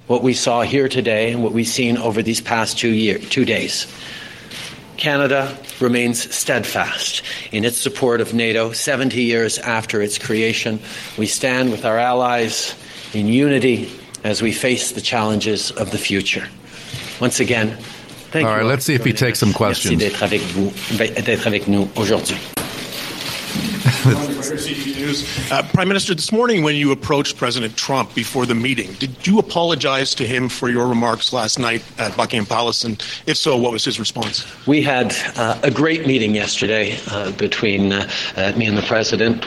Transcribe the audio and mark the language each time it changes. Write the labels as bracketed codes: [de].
[en] What we saw here today and what we've seen over these past 2 days. Canada remains steadfast in its support of NATO 70 years after its creation. We stand with our allies in unity as we face the challenges of the future. Once again, thank you. All right, let's see if he takes some questions. [fr] Merci d'être avec vous, d'être avec nous aujourd'hui. [en] Prime Minister, this morning when you approached President Trump before the meeting, did you apologize to him for your remarks last night at Buckingham Palace? And if so, what was his response? We had a great meeting yesterday between me and the President.